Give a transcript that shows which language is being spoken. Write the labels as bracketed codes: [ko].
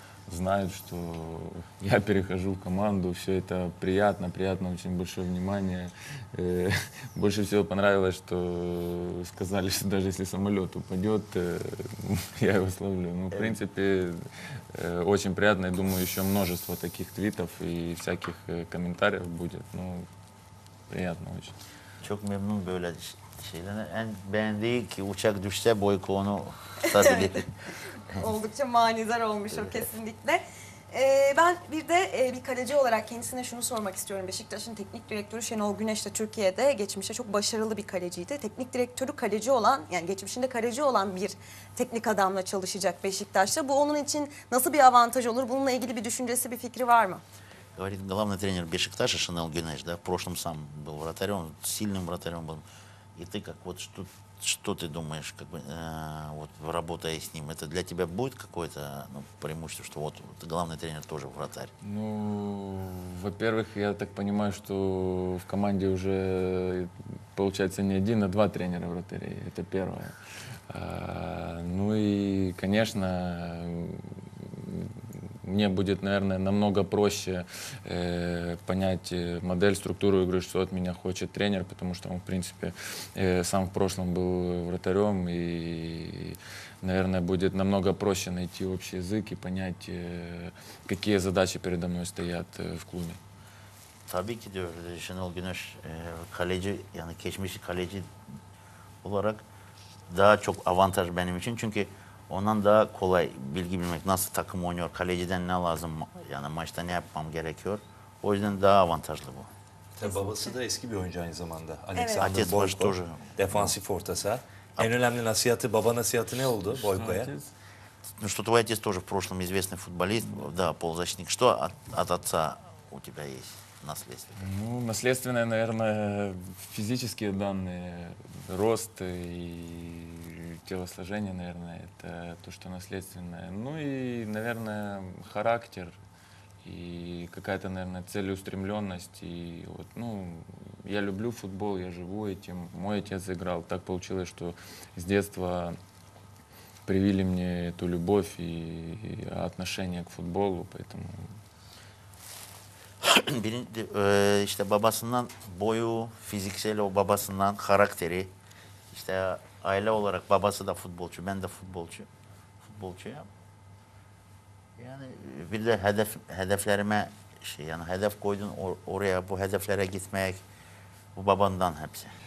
[ru] знают, что я перехожу в команду. Все это приятно, приятно, очень большое внимание. Больше всего понравилось, что сказали, что даже если самолет упадет, я его словлю. Ну, в принципе, очень приятно. Я думаю, еще множество таких твитов и всяких комментариев будет. Ну, приятно очень. [tr] Çok memnun böyle şeylerden. En beğendiği ki uçak düşse Boyko onu tabii. Oldukça manizar olmuş o kesinlikle. Ben bir de bir kaleci olarak kendisine şunu sormak istiyorum. Beşiktaş'ın teknik direktörü Şenol Güneş de Türkiye'de geçmişte çok başarılı bir kaleciydi. Teknik direktörü kaleci olan, yani geçmişinde kaleci olan bir teknik adamla çalışacak Beşiktaş'ta. Bu onun için nasıl bir avantaj olur? Bununla ilgili bir düşüncesi, bir fikri var mı? [ru] Говорит, главный тренер Бешикташа Шенол Гюнеш, да, в прошлом сам был вратарем, сильным вратарем был. И ты как вот что, что ты думаешь, как бы, вот работая с ним, это для тебя будет какое-то преимущество, что вот главный тренер тоже вратарь? Ну, во-первых, я так понимаю, что в команде уже получается не один, а два тренера вратарей. Это первое. Ну и, конечно, мне будет, наверное, намного проще понять модель, структуру игры, что от меня хочет тренер, потому что он, в принципе, сам в прошлом был вратарем, и, наверное, будет намного проще найти общий язык и понять, какие задачи передо мной стоят в клубе. [tr] Табики, Шенол Гюнеш, коллеги, я на кечмиси коллеги, уларак, да, чок авантаж беним учен, чунки ondan daha kolay bilgi bilmek, nasıl takım oynuyor, kaleciden ne lazım, yani maçta ne yapmam gerekiyor. O yüzden daha avantajlı bu. Tabii babası da eski bir oyuncu aynı zamanda. Alexander Boyko, defansif ortası. En önemli nasihatı, baba nasihatı ne oldu Boyko'ya? [ru] Ну что твой отец тоже в прошлом известный футболист, да, полузащитник. Что от отца у тебя есть? Ну, наследственное, наверное, физические данные, рост и телосложение, наверное, это то, что наследственное. Ну и, наверное, характер и какая-то, наверное, целеустремленность. И вот, ну, я люблю футбол, я живу этим. Мой отец играл. Так получилось, что с детства привили мне эту любовь и отношение к футболу, поэтому... [tr] Birinci, işte babasından boyu, fiziksel o babasından karakteri, işte aile olarak babası da futbolcu, ben de futbolcu, futbolcuyum. Yani bir de hedeflerime şey, yani hedef koydun oraya, bu hedeflere gitmek, bu babandan hepsi.